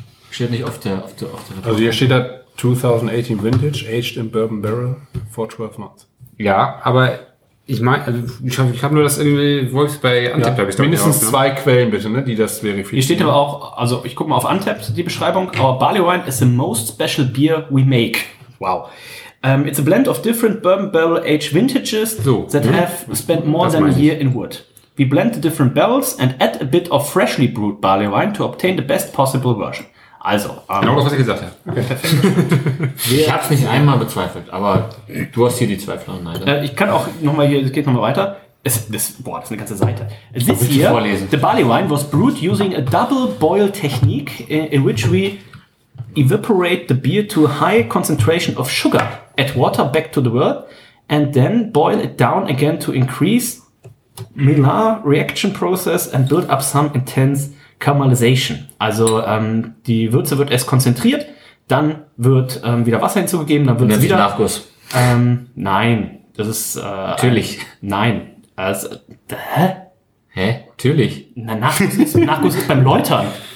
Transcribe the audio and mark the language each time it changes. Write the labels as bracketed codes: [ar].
[de] Steht nicht auf der Karte. Also hier steht da [en] 2018 Vintage, aged in Bourbon Barrel for 12 months. [de] Ja, aber ich meine, also ich hab nur das irgendwie Wolfsberg Untappt, ja, habe ich doch mindestens auch, ne? Zwei Quellen bitte, ne, die das verifizieren. Hier steht aber auch, also ich gucke mal auf Untappt die Beschreibung. [en] Our Barley Wine is the most special beer we make. Wow. It's a blend of different bourbon barrel aged vintages that have spent more than a year in wood. We blend the different barrels and add a bit of freshly brewed barley wine to obtain the best possible version. [de] Also, genau das, was ich gesagt habe. Okay. Ich habe es nicht einmal bezweifelt, aber du hast hier die Zweifel. Ich kann auch nochmal hier, es geht nochmal weiter. Das ist eine ganze Seite. [en] This year, the barley wine was brewed using a double boil technique in which we evaporate the beer to a high concentration of sugar, add water back to the wort and then boil it down again to increase Maillard reaction process and build up some intense caramelization. [de] Also die Würze wird erst konzentriert, dann wird wieder Wasser hinzugegeben, dann wird es wieder Nachguss. Nein, das ist natürlich. Nein, also hä? Natürlich. Nachguss ist beim Läutern.